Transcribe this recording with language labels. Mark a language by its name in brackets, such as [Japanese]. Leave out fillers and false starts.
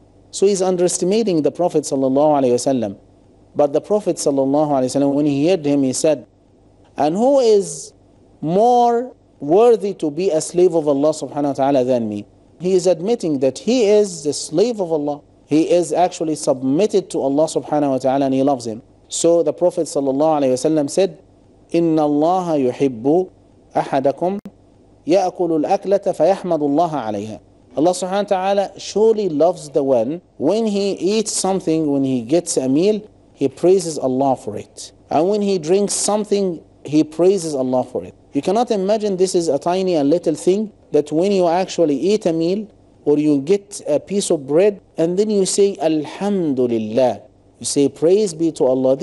[English] So he's underestimating the Prophet sallallahu alayhi wa sallam. But the Prophet sallallahu alayhi wa sallam, when he heard him, he said, and who is more worthy to be a slave of Allah subhanahu wa ta'ala than me? He is admitting that he is the slave of Allah. He is actually submitted to Allah subhanahu wa ta'ala and he loves him. So the Prophet sallallahu alayhi wa sallam said, [Arabic] إِنَّ اللَّهَ يُحِبُّ أَحَدَكُمْ يَأْكُلُ الْأَكْلَةَ فَيَحْمَدُ اللَّهَ عَلَيْهَا. [English] Allah subhanahu wa ta'ala surely loves the one when he eats something, when he gets a meal, he praises Allah for it. And when he drinks something, he praises Allah for it. You cannot imagine, this is a tiny and little thing, that when you actually eat a meal or you get a piece of bread and then you say Alhamdulillah, you say praise be to Allah.